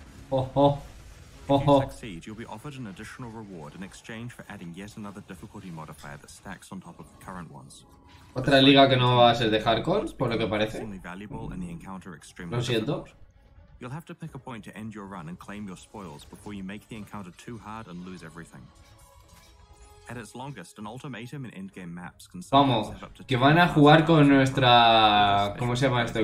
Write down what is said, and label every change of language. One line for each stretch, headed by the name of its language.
English: If you succeed, you'll be offered an additional reward in exchange for adding yet another difficulty modifier that stacks on top of the current ones.
Spanish: Otra liga que no va a ser de hardcore, por lo que parece. Lo siento.
English: You'll have to pick a point to end your run and claim your spoils before you make the encounter too hard and lose everything. At its longest, an ultimatum in endgame maps can sometimes have up to 10.
Spanish: Que van a jugar con nuestra, ¿cómo se llama esto?